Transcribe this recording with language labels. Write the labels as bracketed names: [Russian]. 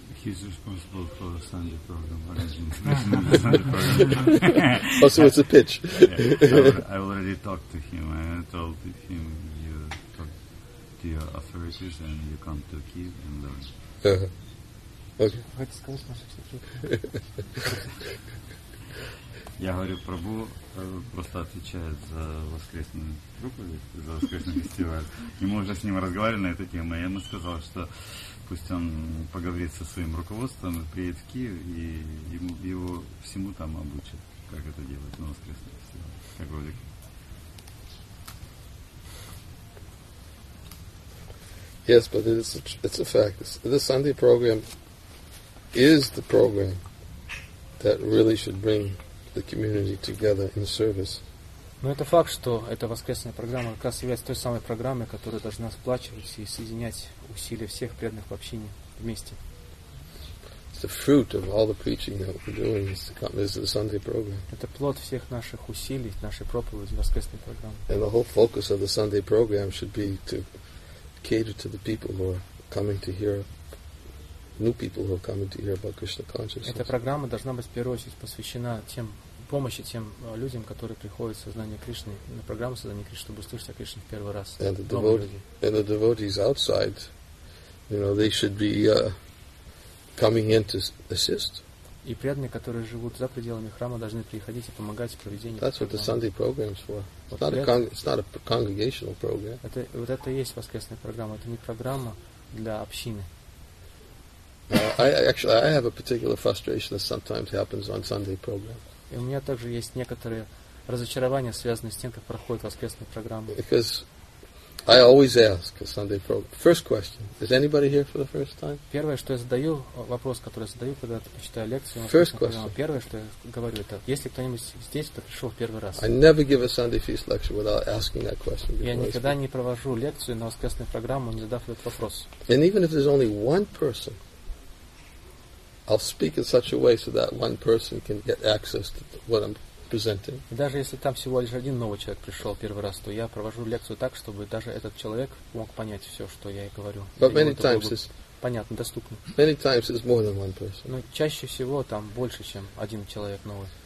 [English] He's responsible for the Sunday program. Also, it's a pitch. Yeah. I already talked to him. I told him, your authorities and you come to Kiev and learn. Uh-huh. Okay. [Russian] Я говорю, Прабу просто отвечает за воскресную проповедь, за воскресный фестиваль. И мы уже с ним разговаривали на эту тему. Я ему сказал, что пусть он поговорит со своим руководством, приедет в Киев и его всему там обучат, как это делать на воскресном фестивале. [English] Yes, but it's a fact. The Sunday program is the program that really should bring the community together in service. [Russian] Но это факт, что эта воскресная программа как раз является той самой программой, которая должна сплачивать и соединять усилия всех преданных в общине вместе. [English] The fruit of all the preaching that we're doing is the Sunday program. [Russian] Это плод всех наших усилий, нашей проповеди, воскресной программы. [English] And the whole focus of the Sunday program should be to cater to the people who are coming to hear, new people who are coming to hear about Krishna consciousness. [Russian] Эта программа должна быть в первую очередь посвящена тем помощи тем людям, которые приходят в сознание Кришны на программу сознания Кришны, чтобы услышать о Кришне в первый раз. [English] And the devotees outside, you know, they should be coming in to assist. [Russian] И преданные, которые живут за пределами храма, должны приходить и помогать в проведении программы. [English] That's what the Sunday program's for. It's not a congregational program. [Russian] Это вот это и есть воскресная программа. Это не программа для общины. [English] I have a particular frustration that sometimes happens on Sunday programs. [Russian] И у меня также есть некоторые разочарования, связанные с тем, как проходит воскресная программа. [English] Because I always ask a Sunday program. First question: is anybody here for the first time? [Russian] Первое, что я задаю вопрос, который задаю, когда читаю лекцию. [English] First question. [Russian] Первое, что я говорю, это: есть ли кто-нибудь здесь, кто пришел в первый раз? [English] I never give a Sunday feast lecture without asking that question. [Russian] Я никогда не провожу лекцию на воскресную программу, не задав этот вопрос. [English] And even if there's only one person, I'll speak in such a way so that one person can get access to what I'm. [Russian] И даже если там всего лишь один новый человек пришел первый раз, то я провожу лекцию так, чтобы даже этот человек мог понять все, что я и говорю. [English] But many times it's [Russian] понятно, доступно. [English] Many times it's more than one person. [Russian] Но чаще всего там больше, чем один человек новый.